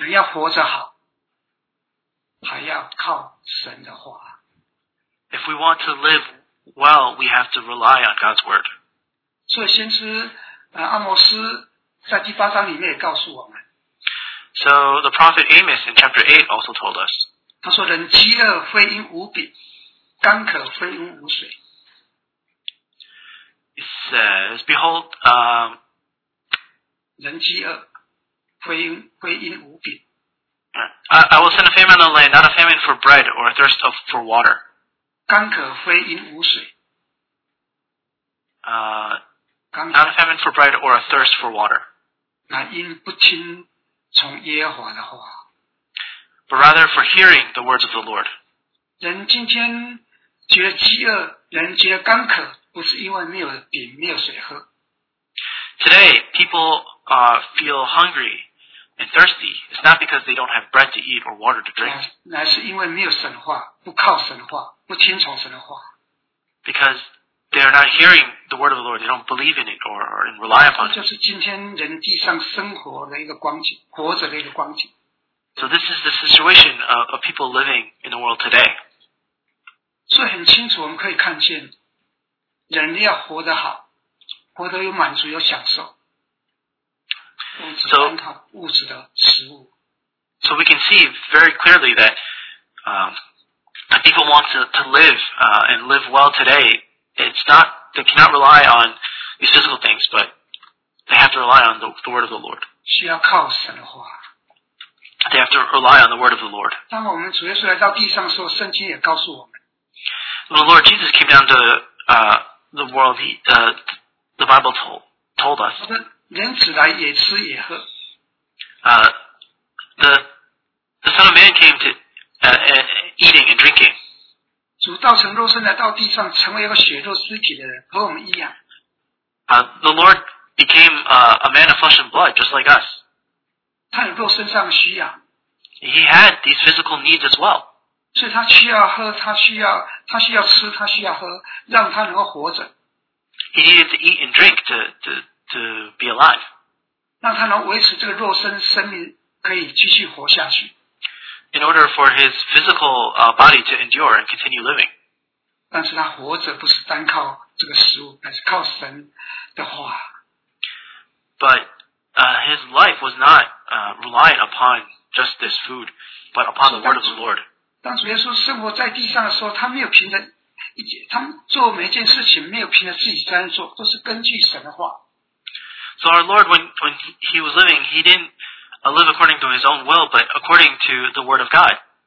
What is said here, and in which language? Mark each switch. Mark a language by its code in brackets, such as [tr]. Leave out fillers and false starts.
[zh] 人要活着好，还要靠神的话。 [en] If we want to live well, we have to rely on God's word. [zh] 所以先知阿摩斯在第八章里面也告诉我们。 [en] So the prophet Amos in chapter 8 also told us. [zh] 他说人饥饿非因无饼，干渴非因无水。 [en] It says, behold, [zh] 人饥饿非因无饼。 [en] I will send a famine on the land, not a famine for bread or a thirst for water. [zh] 干渴非因无水。 [en] Not a famine for bread or a thirst for water. [zh] 那因不听从耶和华的话。 [en] But rather for hearing the words of the Lord. [zh] 人今天觉得饥饿，人觉得干渴，不是因为没有饼，没有水喝。 [en] Today, people feel hungry and thirsty. It's not because they don't have bread to eat or water to drink. [zh] 乃是因为没有神话，不靠神话，不听从神的话。 [en] Because they are not hearing the word of the Lord. They don't believe in it or rely upon it. [zh] 就是今天人地上生活的一个光景，活着的一个光景。 [en] So this is the situation of people living in the world today. [zh] 所以很清楚，我们可以看见，人要活得好，活得有满足，有享受。 [en] So we can see very clearly that that people want to live and live well today. It's not they cannot rely on these physical things, but they have to rely on the word of the Lord. [zh] 需要靠神的话。 [en] They have to rely on the word of the Lord. [zh] 当我们主耶稣来到地上的时候，圣经也告诉我们。 [en] The Lord Jesus came down to the world. The Bible told us. [zh] 人子来也吃也喝。 [en] The Son of Man came to eating and drinking. [zh] 主道成肉身来到地上，成为一个血肉肢体的人，和我们一样。 [en] The Lord became a man of flesh and blood, just like us. [zh] 他有肉身上需要。 [en] He had these physical needs as well. [zh] 所以他需要喝，他需要吃，他需要喝，让他能够活着。 [en] He needed to eat and drink to be alive. [zh] 让他能维持这个肉身生命可以继续活下去。 [en] In order for his physical body to endure and continue living. [zh] 但是他活着不是单靠这个食物，而是靠神的话。 [en] But his life was not reliant upon just this food, but upon the word of the Lord. [zh] 当主耶稣生活在地上的时候，他没有凭着，他做每一件事情没有凭着自己专做，都是根据神的话。 [en] So our Lord, when he was living, he didn't live according to his own will, but according to the word of God.